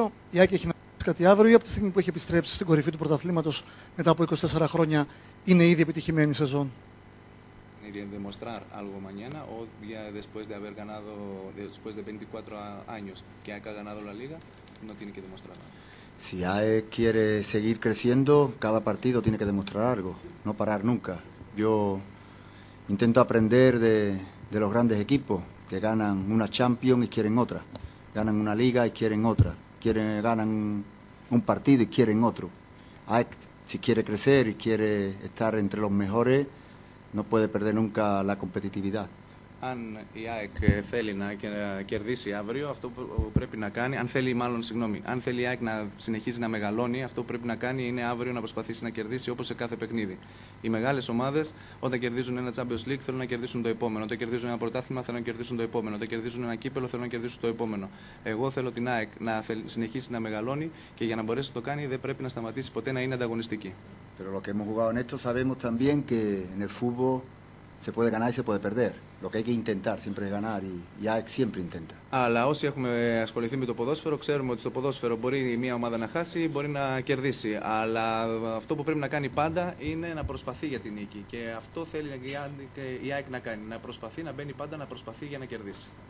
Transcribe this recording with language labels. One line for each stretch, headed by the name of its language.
Greek: Η Άκη έχει να πει κάτι αύριο ή από τη στιγμή που έχει επιστρέψει στην κορυφή του πρωταθλήματος μετά από 24 χρόνια είναι ήδη επιτυχημένη σεζόν? Είναι ήδη
Spanish: demostrar algo mañana o ya después de haber ganado después de 24 años que ha ganado la liga no tiene que demostrar nada. Si AE quiere seguir creciendo, cada partido tiene que demostrar algo, no parar nunca. Yo intento aprender de los grandes equipos que ganan una Champions y quieren otra. Ganan una liga y quieren otra. Ganan un partido y quieren otro. Si quiere crecer y quiere estar entre los mejores, no puede perder nunca la competitividad.
Greek: Αν η ΑΕΚ θέλει να κερδίσει αύριο, αυτό που πρέπει να κάνει, αν θέλει η ΑΕΚ να συνεχίζει να μεγαλώνει, αυτό που πρέπει να κάνει είναι αύριο να προσπαθήσει να κερδίσει όπως σε κάθε παιχνίδι. Οι μεγάλες ομάδες, όταν κερδίζουν ένα Champions League, θέλουν να κερδίσουν το επόμενο. Όταν κερδίζουν ένα πρωτάθλημα, θέλουν να κερδίσουν το επόμενο. Όταν κερδίζουν ένα κύπελο, θέλουν να κερδίσουν το επόμενο. Εγώ θέλω την ΑΕΚ να συνεχίσει να μεγαλώνει και για να μπορέσει να το κάνει, δεν πρέπει να σταματήσει ποτέ να είναι ανταγωνιστική.
Spanish: Pero lo que hemos jugado en esto sabemos también que en el fútbol se puede ganar y se puede perder. Lo que hay que intentar siempre es ganar y AEK siempre intenta.
Greek: Αλλά όσοι έχουμε ασχοληθεί με το ποδόσφαιρο ξέρουμε ότι στο ποδόσφαιρο μπορεί μια ομάδα να χάσει, μπορεί να κερδίσει. Αλλά αυτό που πρέπει να κάνει πάντα είναι να προσπαθεί για την νίκη. Και αυτό θέλει η AEK να κάνει, να προσπαθεί να μπαίνει πάντα, να προσπαθεί για να κερδίσει.